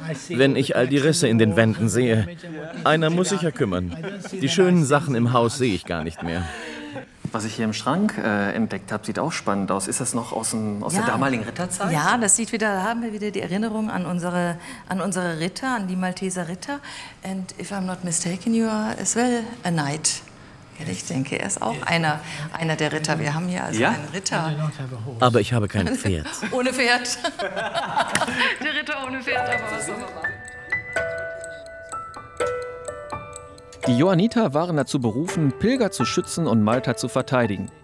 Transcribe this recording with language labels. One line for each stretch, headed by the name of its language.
German: Wenn ich all die Risse in den Wänden sehe, einer muss sich ja kümmern. Die schönen Sachen im Haus sehe ich gar nicht mehr. Was ich hier im Schrank entdeckt habe, sieht auch spannend aus. Ist das noch aus der damaligen Ritterzeit? Ja, das sieht wieder, da haben wir wieder die Erinnerung an unsere Ritter, an die Malteser Ritter.
English: And if I'm not mistaken, you are as well a knight.
German: Ich denke, er ist auch einer der Ritter. Wir haben hier also einen Ritter. Aber ich habe kein Pferd. Ohne Pferd. Der Ritter ohne Pferd. Aber was Die Johanniter waren dazu berufen, Pilger zu schützen und Malta zu verteidigen.